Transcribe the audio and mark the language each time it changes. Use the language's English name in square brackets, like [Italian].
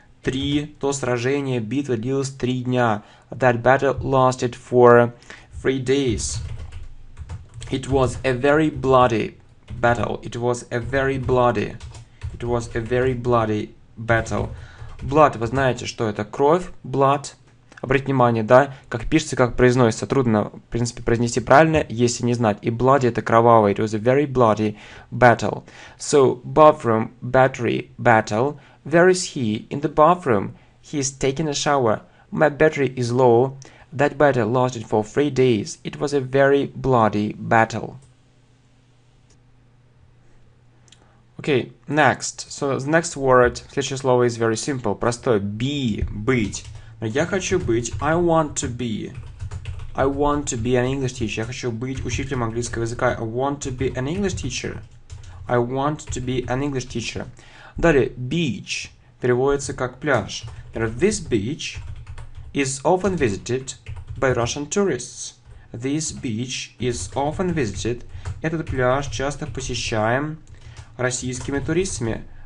[Russian] Три, то сражение, битва длилась три дня. [English] That battle lasted for three days. It was a very bloody battle. It was a very bloody. It was a very bloody battle. [Russian] Blood, вы знаете, что это? Кровь, blood. Обратите внимание, да, как пишется, как произносится. Трудно, в принципе, произнести правильно, если не знать. И bloody это кровавый. [English] It was a very bloody battle. So, bathroom, battery, battle. Where is he? In the bathroom. He is taking a shower. My battery is low. That battle lasted for three days. It was a very bloody battle. Okay, next. So the next word, [Russian] следующее слово [English] is very simple. [Russian] Простое. Be. Быть. Я хочу быть. [English] I want to be. I want to be an English teacher. [Russian] Я хочу быть учителем английского языка. [English] I want to be an English teacher. I want to be an English teacher. [Russian] Далее, beach переводится как пляж. [English] This beach is often visited by Russian tourists. This beach is often visited. [Russian] Этот пляж часто посещаем российскими туристами.